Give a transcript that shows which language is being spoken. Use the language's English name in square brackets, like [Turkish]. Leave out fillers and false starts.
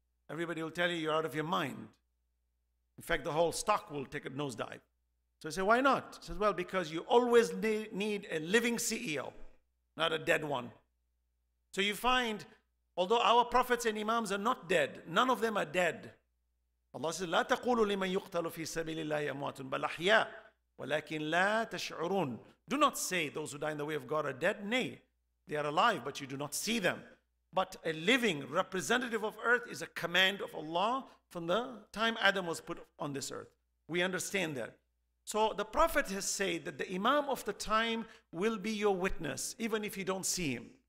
[English] Everybody will tell you, you're out of your mind. In fact, the whole stock will take a nosedive. So I say, why not? He says, well, because you always need a living CEO, not a dead one. So you find, although our prophets and imams are not dead, none of them are dead. Allah says, [Arabic] لا تقولوا لمن يقتل في سبيل الله أموات بل أحياء ولكن لا تشعرون. [English] Do not say those who die in the way of God are dead. Nay, they are alive, but you do not see them. But a living representative of earth is a command of Allah from the time Adam was put on this earth. We understand that. So the Prophet has said that the Imam of the time will be your witness, even if you don't see him.